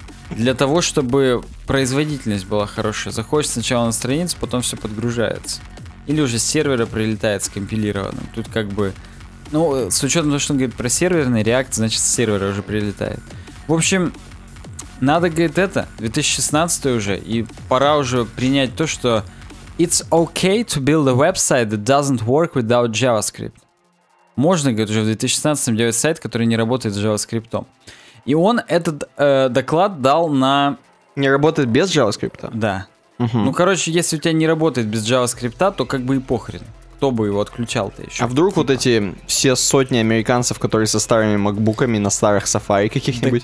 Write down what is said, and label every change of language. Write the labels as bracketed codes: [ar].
[ru] Для того, чтобы производительность была хорошая. Заходишь сначала на страницу, потом все подгружается. Или уже с сервера прилетает скомпилированным. Тут как бы... Ну, с учетом того, что он говорит про серверный React, значит, с сервера уже прилетает. В общем, надо, говорит, это 2016 уже, и пора уже принять то, что [en] It's okay to build a website that doesn't work without JavaScript. [ru] Можно, говорит, уже в 2016-м делать сайт, который не работает с JavaScript. И он этот доклад дал на... Не работает без JavaScript? Да. Угу. Ну, короче, если у тебя не работает без JavaScript, то как бы и похрен. Кто бы его отключал-то еще? А вдруг вот эти все сотни американцев, которые со старыми макбуками на старых Safari каких-нибудь?